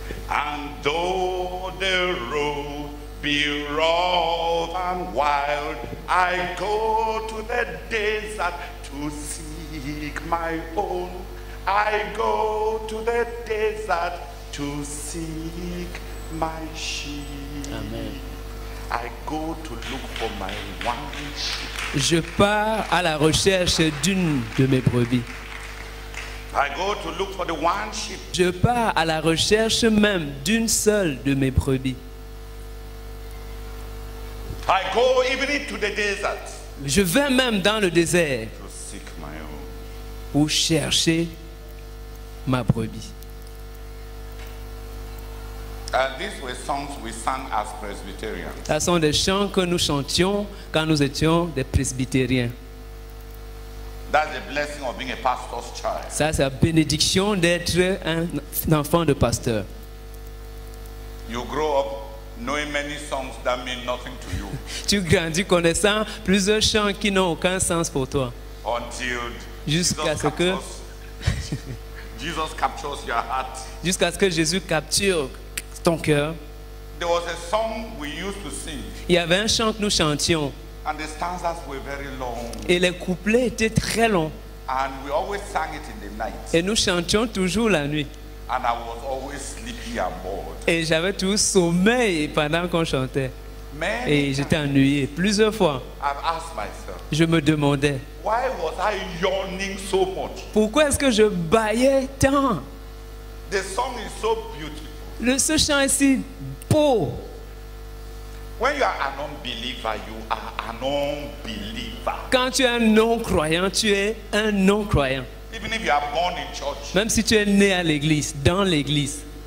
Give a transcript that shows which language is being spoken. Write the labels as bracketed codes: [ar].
[en] And though the road be rough and wild, I go to the desert to seek my own. I go to the desert to seek my sheep. Amen. I go to look for my one sheep. [fr] Je pars à la recherche d'une de mes brebis. [en] I go to look for the one sheep. [fr] Je pars à la recherche même d'une seule de mes brebis. [en] I go even to the desert. [fr] Je vais même dans le désert [en] to seek my own. [fr] Pour chercher ma brebis. [en] And these were songs we sang as Presbyterians. [fr] Ce sont des chants que nous chantions quand nous étions des presbytériens. [en] That's the blessing of being a pastor's child. [fr] Ça, c'est la bénédiction d'être un enfant de pasteur. [en] You grow up knowing many songs that mean nothing to you. [fr] Tu grandis connaissant plusieurs chants qui n'ont aucun sens pour toi. [en] Until [fr] jusqu'à ce que [en] Jesus captures your heart. [fr] Jusqu'à ce que Jésus capture ton cœur. [en] There was a song we used to sing. [fr] Il y avait un chant que nous chantions. [en] And the stanzas were very long. [fr] Et les couplets étaient très longs. [en] And we always sang it in the night. [fr] Et nous chantions toujours la nuit. [en] And I was always sleepy and bored. [fr] Et j'avais toujours sommeil pendant qu'on chantait. [en] Many [fr] et j'étais ennuyé plusieurs fois. [en] I've asked myself, [fr] je me demandais, [en] why was I yawning so much? [fr] Pourquoi est-ce que je bâillais tant? [en] The song is so beautiful. [fr] Ce chant est si beau. [en] When you are an unbeliever, you are an unbeliever. [fr] Quand tu es un non-croyant, tu es un non-croyant. [en] Even if you are born in church. [fr] Même si tu es né à l'église, dans l'église.